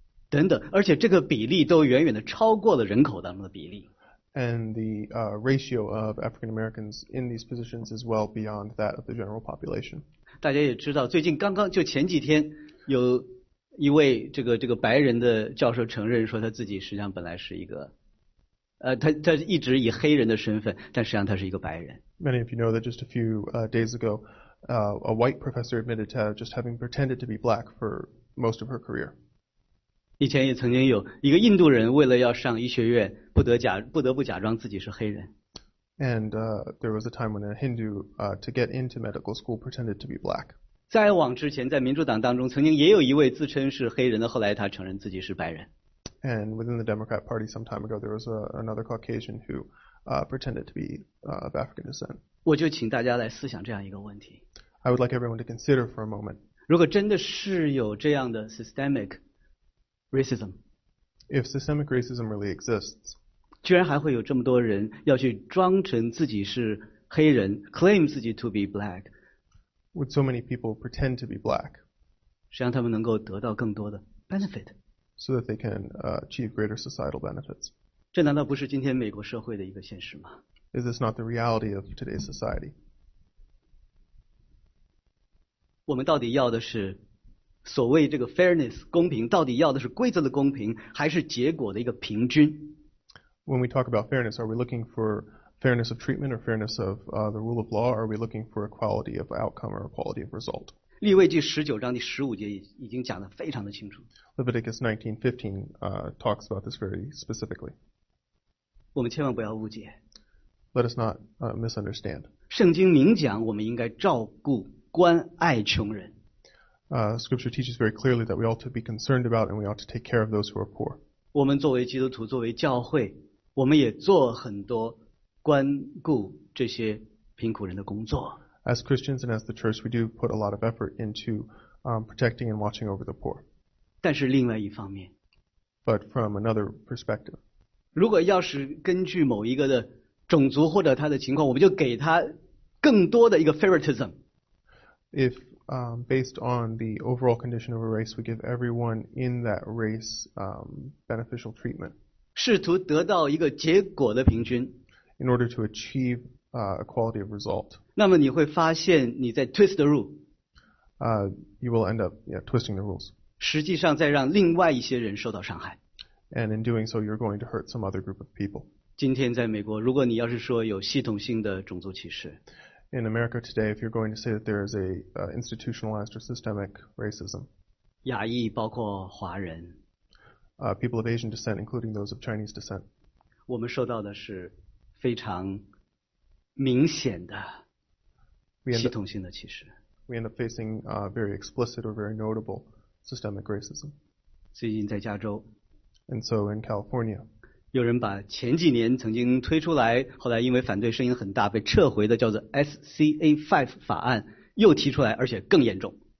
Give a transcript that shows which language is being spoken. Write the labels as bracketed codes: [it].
[zh] 等等而且这个比例都远远的超过了人口当中的比例。 [en] And the ratio of African Americans in these positions is well beyond that of the general population. [zh] 大家也知道最近刚刚就前几天有一位这个白人的教授承认说他自己实际上本来是一个他一直以黑人的身份但实际上他是一个白人 [en] Many of you know that just a few days ago a white professor admitted to just having pretended to be black for most of her career [zh] 以前也曾经有一个印度人为了要上医学院不得不假装自己是黑人 [en] And there was a time when a Hindu to get into medical school pretended to be black [zh] 再往之前在民主党当中曾经也有一位自称是黑人的后来他承认自己是白人 [en] and within the Democrat Party some time ago there was another Caucasian who pretended to be of African descent [zh] 我就请大家来思想这样一个问题 [en] I would like everyone to consider for a moment [zh] 如果真的是有这样的 systemic racism [en] if systemic racism really exists [zh] 居然还会有这么多人要去装成自己是黑人 [en] claim [zh] 自己 [en] to be black Would so many people pretend to be black? [zh] 实际上他们能够得到更多的 benefit. [en] So that they can achieve greater societal benefits. [zh] 这难道不是今天美国社会的一个现实吗？ [en] Is this not the reality of today's society? [zh] 我们到底要的是所谓这个 fairness, 公平，到底要的是规则的公平，还是结果的一个平均？ [en] When we talk about fairness, are we looking for... Fairness of treatment or fairness of the rule of law? Are we looking for a quality of outcome or a quality of result? Leviticus 19:15 talks about this very specifically. [zh] 我们千万不要误解。 [en] Let us not misunderstand. [zh] 圣经明讲我们应该照顾关爱穷人。 [en] Scripture teaches very clearly that we ought to be concerned about and we ought to take care of those who are poor. [zh] 我们作为基督徒作为教会我们也做很多关顾这些贫苦人的工作。 [en] As Christians and as the church, we do put a lot of effort into protecting and watching over the poor. [zh] 但是另外一方面。 [en] But from another perspective. [zh] 如果要是根据某一个的种族或者他的情况，我们就给他更多的一个 favoritism。 [en] If based on the overall condition of a race, we give everyone in that race beneficial treatment. [zh] 试图得到一个结果的平均。 [en] In order to achieve a quality of result. [zh] 那么你会发现你在 [en] twist the rule. You will end up twisting the rules. [zh] 实际上在让另外一些人受到伤害。 [en] And in doing so, you're going to hurt some other group of people. [zh] 今天在美国，如果你要是说有系统性的种族歧视。 [en] In America today, if you're going to say that there is a institutionalized or systemic racism, [zh] 亚裔包括华人 [en] people of Asian descent, including those of Chinese descent, [zh] 我们受到的是非常明显的系统性的歧视。 [en] We end up facing very explicit or very notable systemic racism. [zh] 最近在加州 [en] and so in California. [zh] 有人把前几年曾经推出来，后来因为反对声音很大被撤回的叫做 SCA5 法案又提出来，而且更严重。